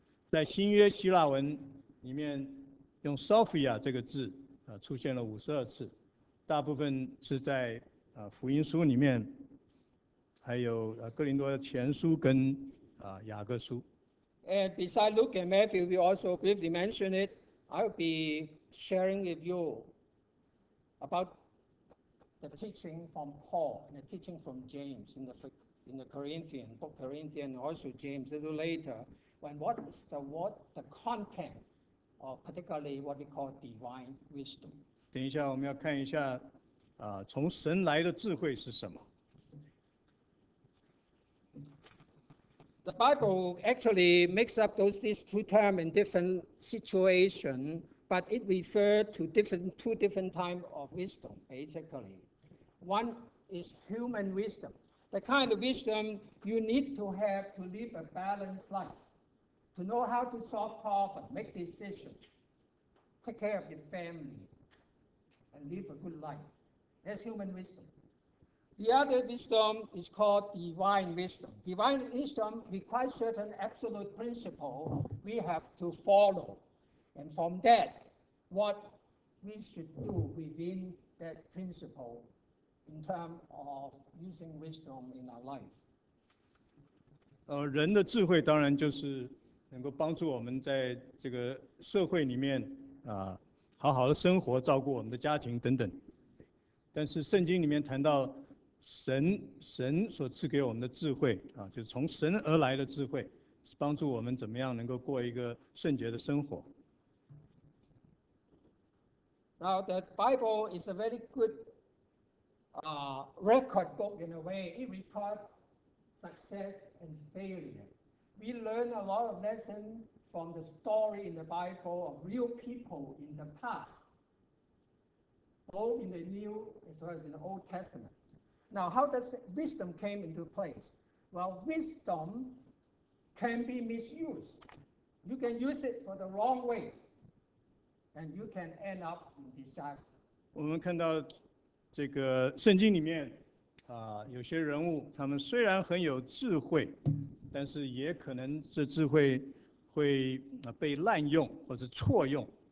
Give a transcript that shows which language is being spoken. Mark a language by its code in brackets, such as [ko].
[zh] 在新约希腊文里面用 Sophia 这个字出现了52次，大部分是在福音书里面。还有哥林多前书跟雅各书。 [en] And besides Luke and Matthew, we also briefly mentioned it. I'll be sharing with you about the teaching from Paul and the teaching from James in the Corinthian book, Corinthian, also James a little later. When what the content of particularly what we call divine wisdom. [zh] 等一下，我们要看一下从神来的智慧是什么。 [en] The Bible actually makes up these two terms in different situations, but it refers to two different types of wisdom, basically. One is human wisdom, the kind of wisdom you need to have to live a balanced life, to know how to solve problems, make decisions, take care of your family, and live a good life. That's human wisdom. The other wisdom is called divine wisdom. Divine wisdom requires certain absolute principle we have to follow. And from that, what we should do within that principle in terms of using wisdom in our life. [zh] 人的智慧当然就是能够帮助我们在这个社会里面好好的生活，照顾我们的家庭等等。但是圣经里面谈到神所赐给我们的智慧就是从神而来的智慧，是帮助我们怎么样能够过一个圣洁的生活。 [en] Now the Bible is a very good record book in a way. It records success and failure. We learn a lot of lessons from the story in the Bible of real people in the past, both in the New as well as in the Old Testament. Now, how does wisdom came into place? Well, wisdom can be misused. You can use it for the wrong way, and you can end up in disaster. [zh] 我们看到这个圣经里面有些人物，他们虽然很有智慧，但是也可能这智慧会被滥用或是错用。